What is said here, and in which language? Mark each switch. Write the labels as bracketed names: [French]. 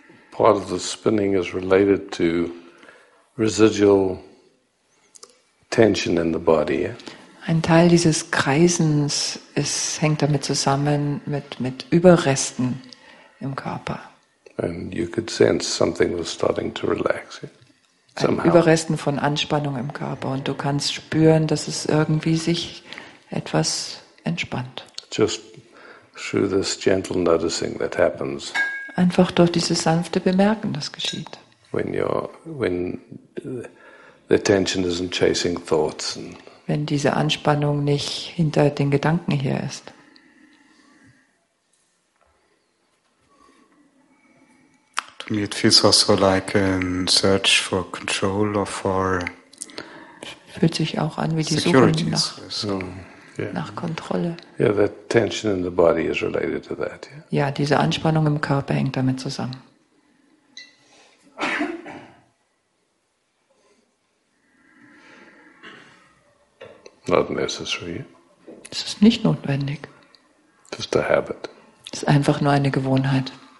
[English] part of the spinning is related to residual tension in the body. [German] Ein Teil dieses Kreisens, es hängt damit zusammen mit Überresten im Körper. [English] And you could sense something was starting to relax. [German] Überresten von Anspannung im Körper und du kannst spüren, dass es irgendwie sich etwas entspannt. [English] Just through this gentle noticing that happens. [German] Einfach durch dieses sanfte Bemerken, das geschieht. [English] When the tension isn't chasing thoughts. [German] Wenn diese Anspannung nicht hinter den Gedanken her ist. [English] To me it feels also like a search for control or for. [German] Fühlt sich auch an wie die Suche nach. Nach Kontrolle. [English] Yeah, the tension in the body is related to that. Yeah? [German] Ja, diese Anspannung im Körper hängt damit zusammen. [English] Not necessary. [German] Es ist nicht notwendig. [English] Just a habit. [German] Es ist einfach nur eine Gewohnheit.